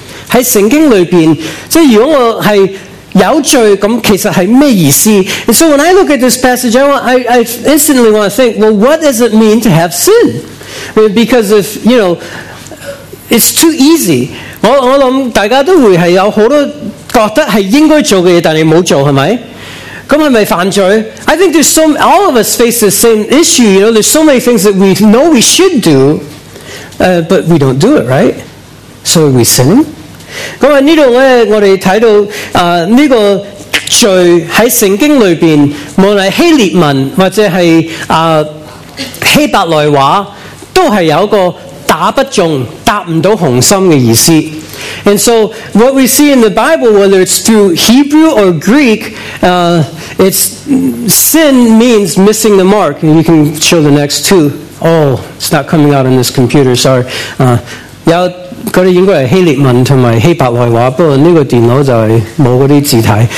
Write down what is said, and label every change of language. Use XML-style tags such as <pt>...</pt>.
<zh>在圣经里面，如果我是有罪，那其实是什么意思？</zh> <en>And so when I look at this passage, I instantly want to think, well, what does it mean to have sin? Because if, you know, it's too easy.</en> <zh>我想大家都会是有很多觉得是应该做的事但你没做，是不是？那是不是犯罪？</zh> <en>I think there's so many, all of us face the same issue, you know, there's so many things that we know we should do, but we don't do it, right? So are we sinning?</en> <zh>那这里呢，我们看到这个罪在圣经里面，无论是希列文或者是希伯来话，都是有一个打不中、打不到红心的意思。</zh> <en>And so what we see in the Bible, whether it's through Hebrew or Greek, it's sin means missing the mark. And you can show the next two. Oh, it's not coming out on this computer, sorry.</en> <zh>有那些应该是希列文和希伯来话，不过这个电脑就是没有那些字体。</zh>